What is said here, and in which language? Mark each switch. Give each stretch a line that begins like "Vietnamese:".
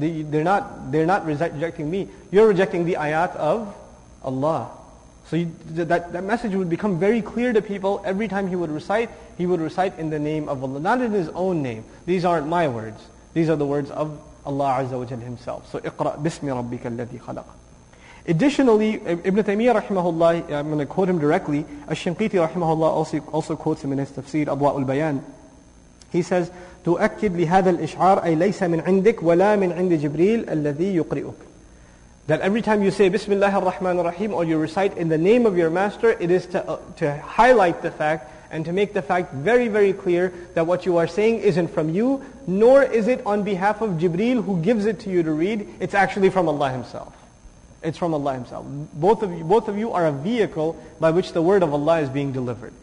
English: They're not rejecting me. You're rejecting the ayat of Allah. So that message would become very clear to people. Every time he would recite in the name of Allah, not in his own name. These aren't my words. These are the words of Allah Azza wa Jalla himself. So
Arabic: اقرأ بسم ربك الذي خلق.
English: Additionally, Ibn Taymiyyah rahimahullah, I'm going to quote him directly, الشنقيطي rahimahullah also quotes him in his tafsir, أضواء البيان.
Arabic: He says, تؤكد لهذا الإشعار أي ليس من عندك ولا من عند جبريل الذي يقرئك.
English: That every time you say Bismillah ar-Rahman ar-Rahim or you recite in the name of your master, it is to highlight the fact and to make the fact very, very clear that what you are saying isn't from you, nor is it on behalf of Jibreel who gives it to you to read. It's actually from Allah Himself. It's from Allah Himself. Both of you are a vehicle by which the word of Allah is being delivered.